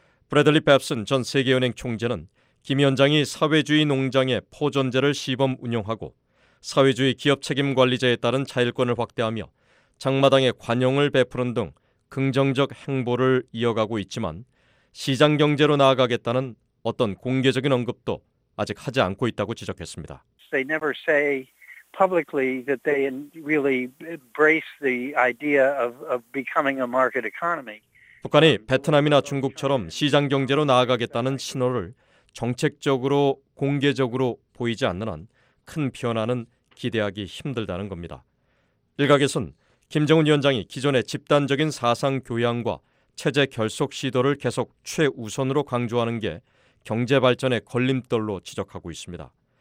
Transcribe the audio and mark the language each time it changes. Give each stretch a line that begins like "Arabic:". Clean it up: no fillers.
Korean: 브래들리 밥슨 전 세계은행 총재는 김 위원장이 사회주의 농장의 포전제를 시범 운영하고 사회주의 기업 책임 관리제에 따른 자율권을 확대하며 장마당에 관용을 베푸는 등 긍정적 행보를 이어가고 있지만 시장 경제로 나아가겠다는 어떤 공개적인 언급도 아직 하지 않고 있다고 지적했습니다.
English: They never say publicly that they really embrace the idea of becoming a market economy.
Korean: 북한이 베트남이나 중국처럼 시장 경제로 나아가겠다는 신호를 정책적으로 공개적으로 보이지 않는 한 큰 변화는 기대하기 힘들다는 겁니다. 일각에선 김정은 위원장이 기존의 집단적인 사상 교양과 체제 결속 시도를 계속 최우선으로 강조하는 게 경제 발전의 걸림돌로 지적하고 있습니다.